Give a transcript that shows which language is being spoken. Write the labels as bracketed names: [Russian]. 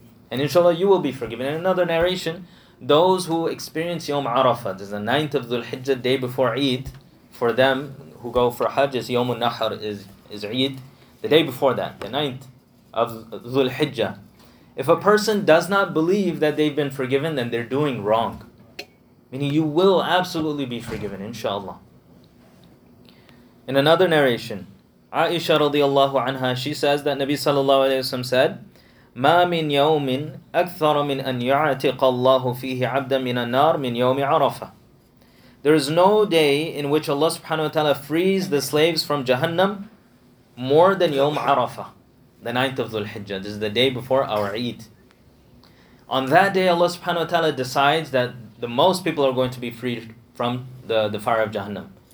[English] And inshaAllah, you will be forgiven. In another narration, those who experience Yawm Arafah, this is the 9th of Dhul Hijjah, day before Eid, for them who go for hajj, is Yawm Nahar, is Eid, the day before that, the 9th of Dhul Hijjah. If a person does not believe that they've been forgiven, then they're doing wrong. Meaning you will absolutely be forgiven, inshallah. In another narration, Aisha radiallahu anha, she says that Nabi sallallahu alayhi wa sallam said, [Arabic] ما من يوم أكثر من أن يعتق الله فيه عبدا من النار من يوم عرفة. [English] There is no day in which Allah subhanahu wa ta'ala frees the slaves from Jahannam more than يوم عرفة, the 9th of Dhul Hijjah. This is the day before our Eid. On that day, Allah subhanahu wa ta'ala decides that the most people are going to be freed from the fire of Jahannam.